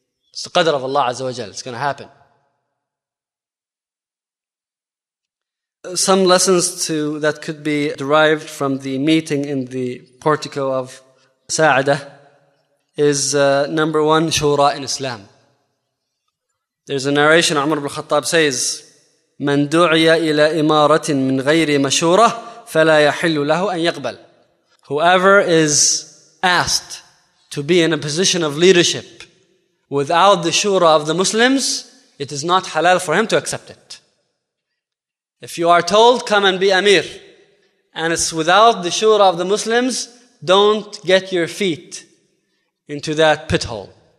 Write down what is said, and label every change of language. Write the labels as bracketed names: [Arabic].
[English] It's the qadr of Allah Azza wa Jal. It's going to happen. Some lessons that could be derived from the meeting in the portico of Sa'adah is number one, shura in Islam. There's a narration, Umar ibn Khattab says, [Arabic] من دعي إلى إمارة من غير مشورة فلا يحل له أن يقبل. [English] Whoever is asked to be in a position of leadership without the shura of the Muslims, it is not halal for him to accept it. If you are told, come and be Amir, and it's without the shura of the Muslims, don't get your feet into that pit hole.